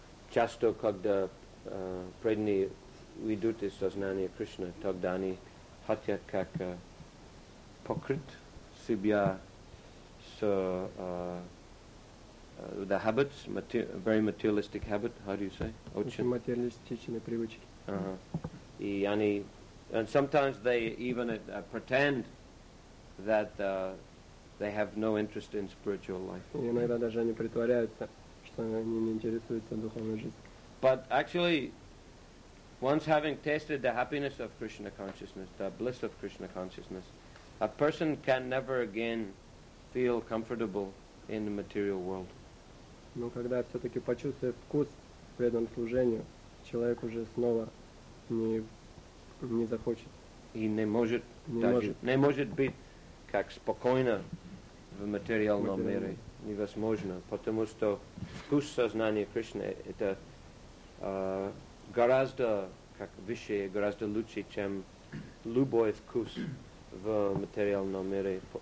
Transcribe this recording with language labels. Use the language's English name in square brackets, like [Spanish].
[Russian] Часто, когда преданные уйдут из сознания Кришны, тогда они хотят как покрыть себя с [English] the habits, very materialistic habit, how do you say? [Russian] Очень материалистичные привычки. [English] And sometimes they even pretend that they have no interest in spiritual life. [Russian] Иногда даже они притворяются, что они не интересуются духовной жизнью. [English] But actually, once having tasted the happiness of Krishna consciousness, the bliss of Krishna consciousness, a person can never again feel comfortable in the material world. [Russian] Но когда все-таки почувствует вкус преданного служения, человек уже снова не захочет. He не может, не может быть как спокойно в материальном мире. Невозможно, потому что вкус сознания Кришны это гораздо как выше, гораздо лучше, чем любой вкус в материальном мире.